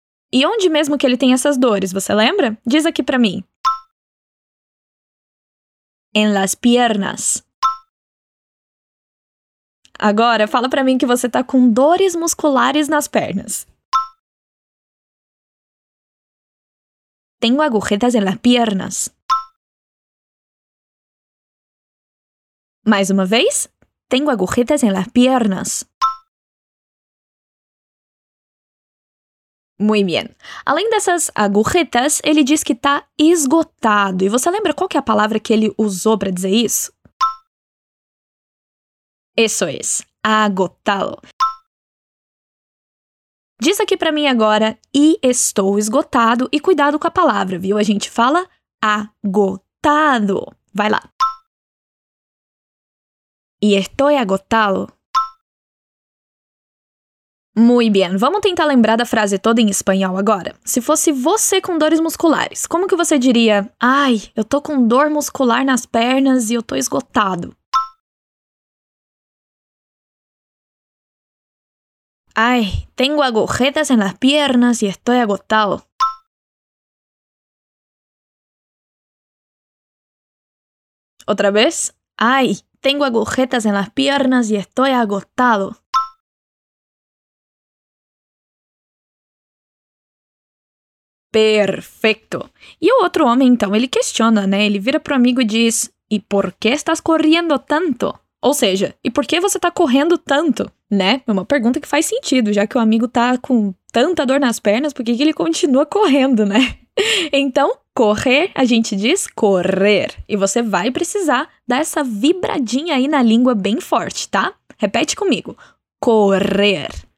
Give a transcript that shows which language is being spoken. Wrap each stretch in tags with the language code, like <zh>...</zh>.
<pt>E onde mesmo que ele tem essas dores, você lembra? Diz aqui para mim.</pt> <es>En las piernas.</es> <pt>Agora, fala para mim que você tá com dores musculares nas pernas.</pt> <es>Tengo agujetas en las piernas.</es> <pt>Mais uma vez.</pt> <es>Tengo agujetas en las piernas. Muy bien.</es> <pt>Além dessas agujetas, ele diz que tá esgotado. E você lembra qual que é a palavra que ele usou para dizer isso?</pt> <es>Eso es. Agotado.</es> <pt>Diz aqui para mim agora, e estou esgotado. E cuidado com a palavra, viu? A gente fala agotado. Vai lá.</pt> <es>Y estoy agotado. Muy bien,</es> <pt>vamos tentar lembrar da frase toda em espanhol agora. Se fosse você com dores musculares, como que você diria: "Ai, eu tô com dor muscular nas pernas e eu tô esgotado"?</pt> <es>Ai, tengo agujetas en las piernas y estoy agotado. Otra vez. Ay, tengo agujetas en las piernas y estoy agotado. Perfecto. Y el otro hombre, entonces, él cuestiona, ¿no? Él</es> <pt>vira pro amigo</pt> <es>y dice: ¿Y por qué estás corriendo tanto?</es> <pt>Ou seja, e por que você tá correndo tanto, né? É uma pergunta que faz sentido, já que o amigo tá com tanta dor nas pernas, por que ele continua correndo, né? Então, correr, a gente diz correr. E você vai precisar dar essa vibradinha aí na língua bem forte, tá? Repete comigo. Correr.</pt>